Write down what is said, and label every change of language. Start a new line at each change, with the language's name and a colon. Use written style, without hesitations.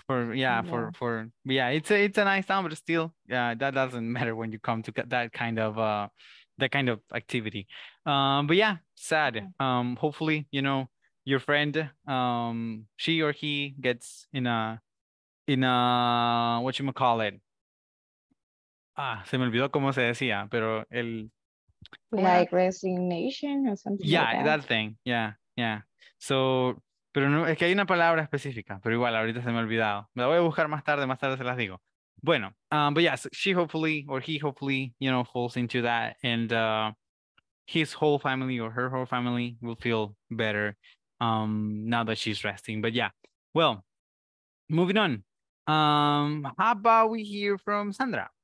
English: It's a nice town, but still, yeah, that doesn't matter when you come to that kind of activity. But yeah, sad. Hopefully, you know, your friend, she or he gets in a whatchamacallit.
Spanish: Ah, se me olvidó cómo se decía, pero el...
English: Like resignation or something. Yeah, like that. That thing. Yeah.
Spanish: So, pero no, es que hay una palabra específica, pero igual ahorita se me ha olvidado. Me la voy a buscar más tarde se las digo.
English: Bueno, but yeah, so she hopefully, or he hopefully, you know, falls into that, and his whole family or her whole family will feel better now that she's resting. But yeah, well, moving on. How about we hear from Sandra?